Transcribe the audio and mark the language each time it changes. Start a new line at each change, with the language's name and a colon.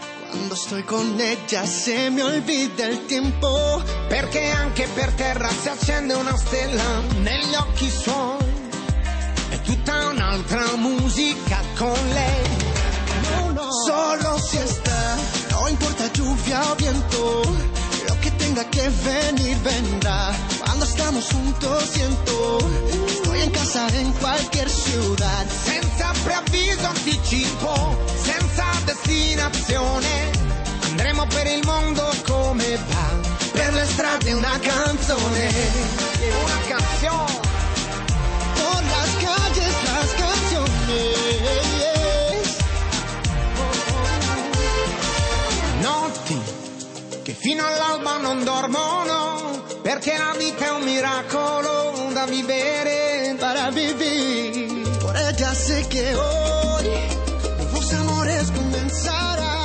Spanish: cuando estoy con ella se me olvida el tiempo,
Italian: perché anche per terra si accende una stella negli occhi suoi, è tutta un'altra musica con lei,
Spanish: no, no. Solo si está, no importa lluvia o viento, lo que tenga que venir vendrá. Cuando estamos juntos siento estoy en casa en cualquier ciudad.
Italian: Senza preavviso anticipo, senza destinazione, andremo per il mondo come va. Per le strade una canzone,
Spanish: una canción. Por las calles las canciones, yes.
Italian: Notti che fino all'alba non dormono, perché la vita è un miracolo da vivere,
Spanish: para vivir. Por ella sé que hoy los amores comenzarán.